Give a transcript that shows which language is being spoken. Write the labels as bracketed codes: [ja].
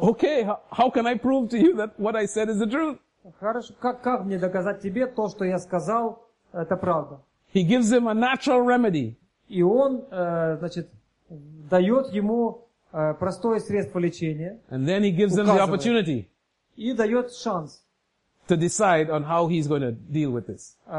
[en] okay, how can I prove to you that what I said is the truth? [ru] Хорошо, как мне доказать тебе то, что я сказал, это правда? [en] He gives him a natural remedy. [ru] И он, дает ему простое средство лечения. [en] And then he gives them the opportunity. [ru] И дает шанс. [en] To decide on how he's going to deal with this.